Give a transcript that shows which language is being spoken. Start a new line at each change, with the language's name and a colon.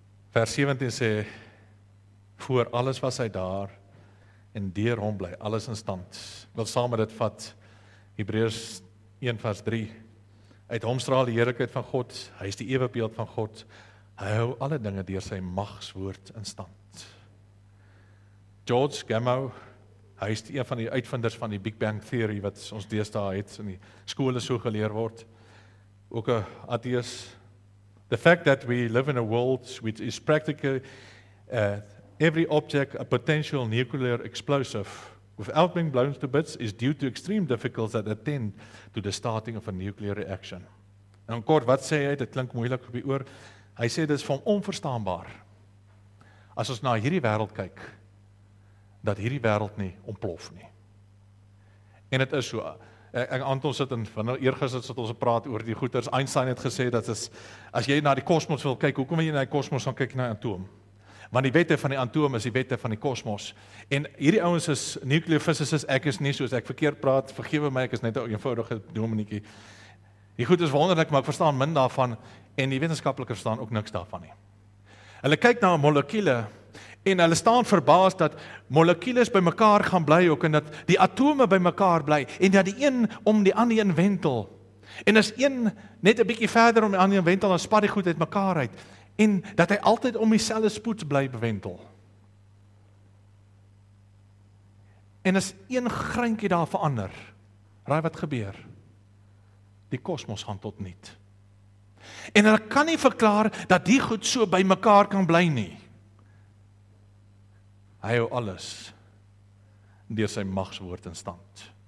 Afrikaans: Vers 17 sê, voor alles was hy daar, en deur hom bly, alles in stand, wil saam met dit vat, Hebreërs 1 vers 3, uit hom straal die heerlikheid van God, hy is die ewe beeld van God, hy hou alle dinge deur sy magswoord in stand. George Gamow, hy is een van die uitvinders van die Big Bang Theory, wat ons deesdae het, in die skole so geleer word, ook 'n atheïs.
English: The fact that we live in a world which is practically every object a potential nuclear explosive, without being blown to bits, is due to extreme difficulties that attend to the starting of a nuclear reaction.
Afrikaans: En kort, wat sê hy, dit klink moeilik op die oor, hy sê, dit is van onverstaanbaar, as ons na hierdie wêreld kyk, dat hierdie wêreld nie ontplof nie. En het is so, en Anton sit, en van nou eergister sit ons praat oor die goeders, Einstein het gesê, dat is, as jy na die kosmos wil kyk, hoekom jy na die kosmos gaan kyk na die atoom? Want die wette van die atoom is die wette van die kosmos. En hierdie ouens is nuclear physicists, ek is nie soos ek verkeerd praat, vergewe my, ek is net 'n eenvoudige dominietjie. Die goed is wonderlik, maar ek verstaan min daarvan, en die wetenskaplikers verstaan ook niks daarvan nie. Hulle kyk na molekule, en hulle staan verbaas dat molekules by mekaar gaan bly ook, en dat die atome by mekaar bly, en dat die een om die ander een wentel. En as een net 'n bietjie verder om die ander een wentel, dan spat die goed uit mekaar uit. En dat hy altyd om dieselfde spoed bly bewentel. En as een greintjie daar verander, raai wat gebeur? Die kosmos gaan tot niet. En hulle kan nie verklaar dat die goed so by mekaar kan bly nie. Hy hou alles deur sy magswoord in stand.